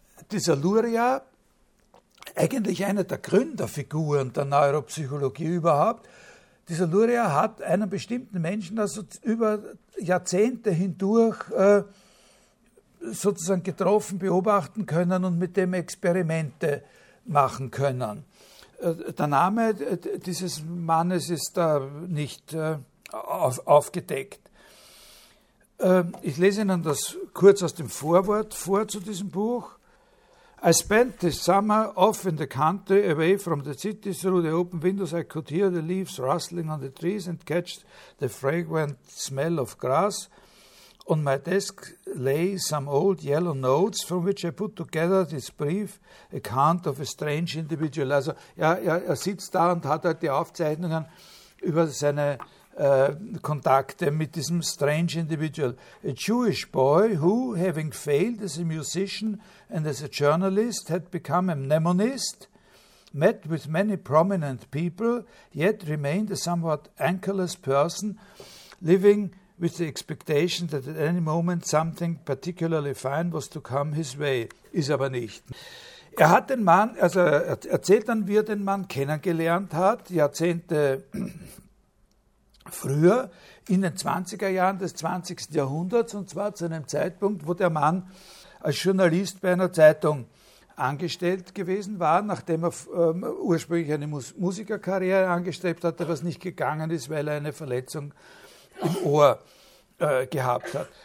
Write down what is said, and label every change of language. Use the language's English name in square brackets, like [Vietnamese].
[German] Dieser Luria, eigentlich eine der Gründerfiguren der Neuropsychologie überhaupt, dieser Luria hat einen bestimmten Menschen also über Jahrzehnte hindurch sozusagen getroffen, beobachten können und mit dem Experimente machen können. Der Name dieses Mannes ist da nicht aufgedeckt. Ich lese Ihnen das kurz aus dem Vorwort vor zu diesem Buch. [English] I spent the summer off in the country, away from the city, through the open windows. I could hear the leaves rustling on the trees and catch the fragrant smell of grass. On my desk lay some old yellow notes, from which I put together this brief account of a strange individual. [German] Also er sitzt da und hat halt die Aufzeichnungen über seine Kontakte mit diesem [English] strange individual. A Jewish boy who, having failed as a musician and as a journalist, had become a mnemonist, met with many prominent people, yet remained a somewhat anchorless person, living with the expectation that at any moment something particularly fine was to come his way. [German] Ist aber nicht. Er hat den Mann, also er erzählt dann, wie er den Mann kennengelernt hat, Jahrzehnte früher, in den 20er Jahren des 20. Jahrhunderts, und zwar zu einem Zeitpunkt, wo der Mann als Journalist bei einer Zeitung angestellt gewesen war, nachdem er ursprünglich eine Musikerkarriere angestrebt hatte, was nicht gegangen ist, weil er eine Verletzung im Ohr gehabt hat.